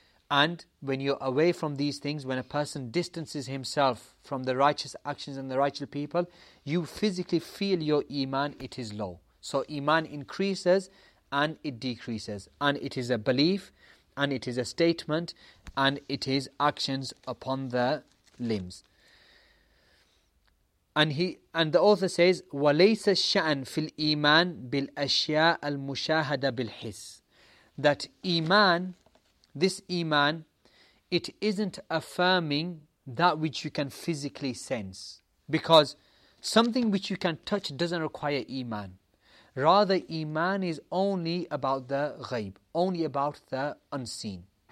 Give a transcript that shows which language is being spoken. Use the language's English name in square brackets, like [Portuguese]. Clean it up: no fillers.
[English] And when you're away from these things, when a person distances himself from the righteous actions and the righteous people, you physically feel your iman, it is low. So iman increases and it decreases. And it is a belief and it is a statement and it is actions upon the limbs. And the author says, [Arabic] وَلَيْسَ الشَّأْنُ فِي الْإِيمَانِ بِالْأَشْيَاءَ الْمُشَاهَدَةَ بِالْحِسِّ. [English] That iman, this iman, it isn't affirming that which you can physically sense. Because something which you can touch doesn't require iman. Rather, iman is only about the ghayb, only about the unseen.